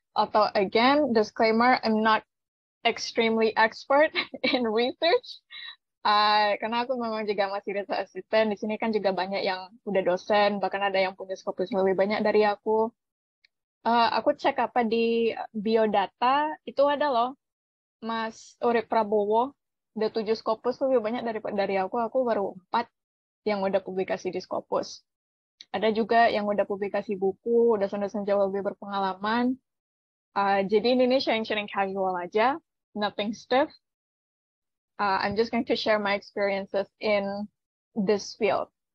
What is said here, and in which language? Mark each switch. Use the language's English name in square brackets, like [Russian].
[English] Atau again, disclaimer, I'm not extremely expert in research. [Indonesian] Karena aku memang juga masih research assistant. Di sini kan juga banyak yang udah dosen, bahkan ada yang punya scopus lebih banyak dari aku. Aku cek apa di biodata, itu ada loh. Mas Urip Prabowo udah 7 Scopus lebih banyak dari aku baru 4 yang udah publikasi di Scopus. Ada juga yang udah publikasi buku, dosen-dosen jauh lebih berpengalaman. Jadi ini sharing-sharing casual aja, [English] nothing stiff. I'm just going to share my experiences in this field.